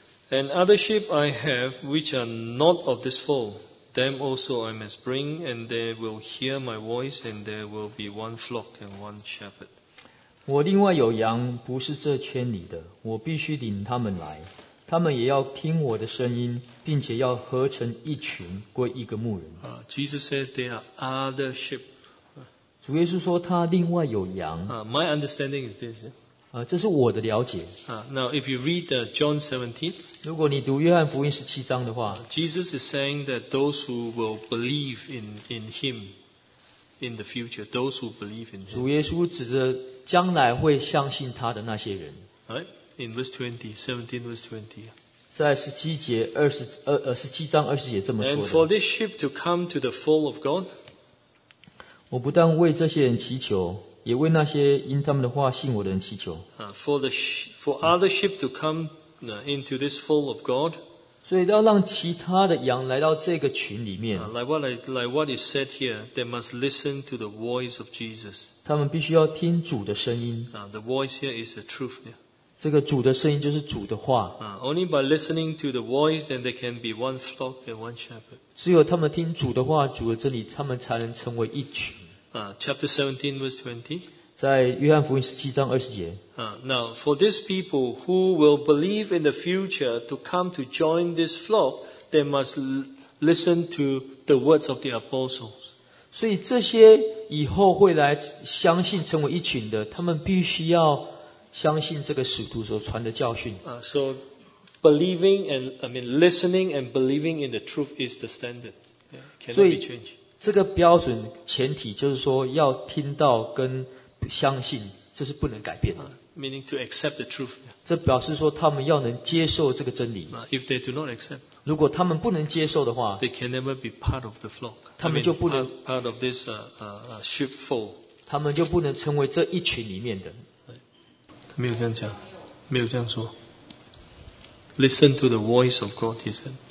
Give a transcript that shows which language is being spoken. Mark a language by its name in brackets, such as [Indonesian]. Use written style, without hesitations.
[English] And other sheep I have, which are not of this fold, them also I must bring, and they will hear my voice, and there will be one flock and one shepherd. [Chinese] 我另外有羊，不是这圈里的，我必须领他们来，他们也要听我的声音，并且要合成一群，归一个牧人。 [English] Jesus said there are other sheep. [Chinese] 主耶稣说他另外有羊。 [English] My understanding is this. [Chinese] 这是我的了解。 [English] Now, if you read John 17, [Chinese] 如果你读约翰福音十七章的话， [English] Jesus is saying that those who will believe in him in the future, those who believe in him, [Chinese] 主耶稣指着将来会相信他的那些人。 [English] Right? In verse 20, 17 verse 20. [Chinese] 在十七节十七章二十节这么说的。 [English] And for this sheep to come to the fold of God, [Chinese] 我不但为这些人祈求，也为那些因他们的话信我的人祈求。 [English] For other sheep to come into this fold of God. [Chinese] 所以要让其他的羊来到这个群里面。 [English] Like what is said here, they must listen to the voice of Jesus. [Chinese] 他们必须要听主的声音。 [English] The voice here is the truth. Yeah. [Chinese] 这个主的声音就是主的话。 [English] Only by listening to the voice, then they can be one flock and one shepherd. [Chinese] 只有他们听主的话，主的真理，他们才能成为一群。 [English] Chapter 17, verse 20. [Chinese] 在约翰福音十七章二十节。 [English] Now, for these people who will believe in the future to come to join this flock, they must listen to the words of the apostles. [Chinese] 所以这些以后会来相信成为一群的，他们必须要相信这个使徒所传的教训。 [English] Listening and believing in the truth is the standard. Yeah, cannot be changed. [Chinese] 这个标准前提就是说要听到跟相信，这是不能改变的。 [English] Meaning to accept the truth. [Chinese] 这表示说他们要能接受这个真理。 [English] If they do not accept, [Chinese] 如果他们不能接受的话， [English] they can never be part of the flock. [Chinese] 他们就不能 [English] part of this sheepfold. [Chinese] 他们就不能成为这一群里面的。没有这样讲，没有这样说。 [English] Listen to the voice of God, he said.